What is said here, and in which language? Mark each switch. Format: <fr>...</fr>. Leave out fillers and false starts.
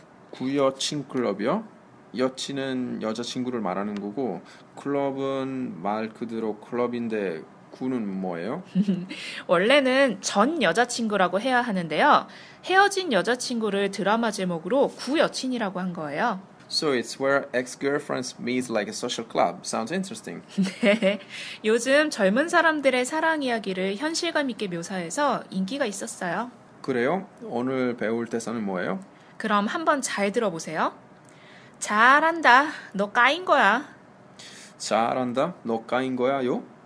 <ko>구여친 클럽이요? 여친은 여자친구를 말하는 거고, 클럽은 말 그대로 클럽인데 구는 뭐예요? 원래는 전 여자친구라고 해야 하는데요. 헤어진 여자친구를 드라마 제목으로 구여친이라고 한 거예요.</ko> <en>So it's where ex-girlfriends meet like a social club. Sounds interesting.</en> <ko>네. 요즘 젊은 사람들의 사랑 이야기를 현실감 있게 묘사해서 인기가 있었어요. 그래요? 오늘 배울 대사는 뭐예요? 그럼 한번 잘 들어보세요. 잘한다. 너 까인 거야. 잘한다. 너 까인 거야요?</ko>